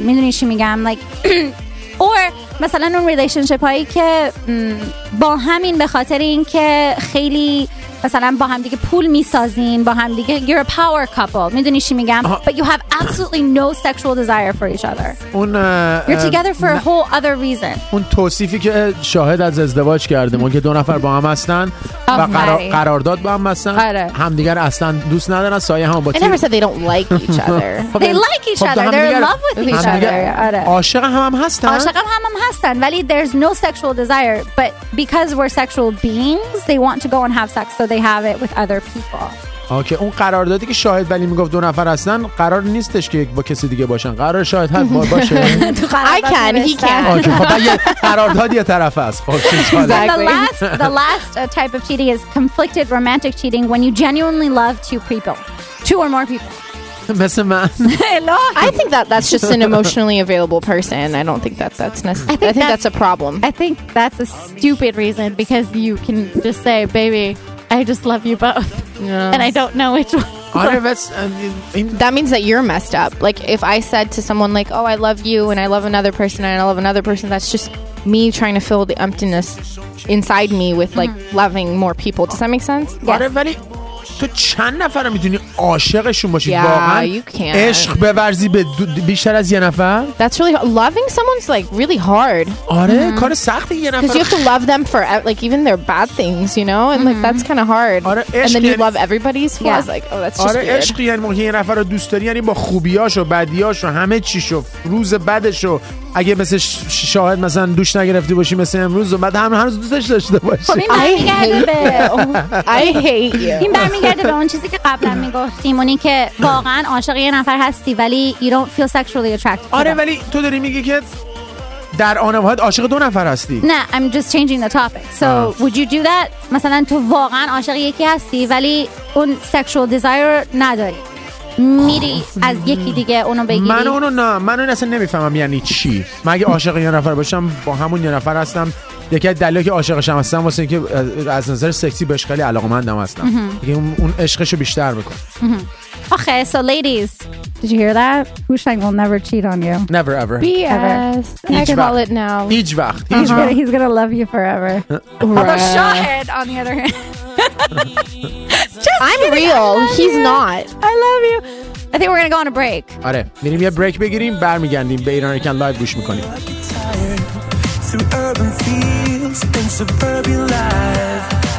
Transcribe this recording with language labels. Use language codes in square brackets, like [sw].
[fa] میدونی چی میگم؟ [en] Like, or [fa] مثلا اون ریلیشنشپ هایی که با همین به خاطر این که خیلی مثلا با هم دیگه پول میسازین با هم دیگه [en] you're a power couple [fa] میدونی چی میگم [en] but you have absolutely no sexual desire for each other [fa] اون [en] you're together for a whole other reason [fa] اون توصیفی که شاهد از ازدواج کردیم اون که دو نفر با هم هستن و قرارداد با هم هستن همدیگر اصلا دوست ندارن سایه هم با [en] تیم I never said they don't like each other they like each other they're in love with each other [fa] عاشق هم هستن [en] ولی there's no sexual desire but because we're sexual beings they want to go and have sex so they have it with other people. [fa] Okay, اون قراردادی که شاهد ولی میگفت دو نفر هستن قرار نیستش که با کسی دیگه باشن. قرار شاهد هر بار باشه. [en] I can. [fa] خب یه قراردادی یه طرفه است. [en] The last type of cheating is conflicted romantic cheating when you genuinely love two or more people. [fa] مثل من [en] I think that's just an emotionally available person I don't think that's necessary I think that's a problem I think that's a stupid reason because you can just say baby I just love you both yeah. and I don't know which one that means that you're messed up like if I said to someone like oh I love you and I love another person and I love another person that's just me trying to fill the emptiness inside me with like loving more people does that make sense [fa] yes تو چند نفر میتونی عاشقشون باشی واقعا عشق بورزی به بیشتر از یه نفر [en] That's really hard. Loving someone's like really hard. [fa] آره کار سختی یه نفر [en] Cuz you have to love them for like even their bad things, you know? And like that's kind of hard. [fa] آره عشق [en] And then you love everybody's flaws yeah. like oh that's just [fa] آره [en] weird. [fa] عشق یعنی یه نفر رو دوست داری یعنی با خوبیاش و بدیاش و همه چیش و روز بدش و اگه مثل شاهد مثلا دوش نگرفتی باشی مثل امروز و بعد همه هنوز دوستش داشته باشی خب این برمیگرده به [en] I hate you [fa] این برمیگرده به اون چیزی که قبلا میگفتیم اونی که واقعا عاشق یه نفر هستی ولی [en] you don't feel sexually attracted [fa] آره ولی تو داری میگی که در آن واحد عاشق دو نفر هستی نه [en] I'm just changing the topic so would you do that [fa] مثلا تو واقعا عاشق یکی هستی ولی اون [en] sexual desire [fa] نداری میری از یکی دیگه اونو بگیری من اونو نه من اون اصلا نمیفهمم یعنی چی من اگه عاشق یه نفر باشم با همون یه نفر هستم یکی از دلایلی که عاشقشم هستم واسه اینکه از نظر سکسی بهش خیلی علاقمندم هستم دیگه اون عشقشو بیشتر میکنه [en] آخه so ladies did you hear that Hushang will never cheat on you never ever BS ever. I can call it now [fa] هیچ وقت uh-huh. [en] he's gonna love you forever although Shahid on the other hand Just I'm kidding. Real. He's you. Not. I love you. I think we're going to go on a break. [fa] آره. میریم یه بریک بگیریم برمیگردیم به ایران یکم لایو گوش می‌کنیم.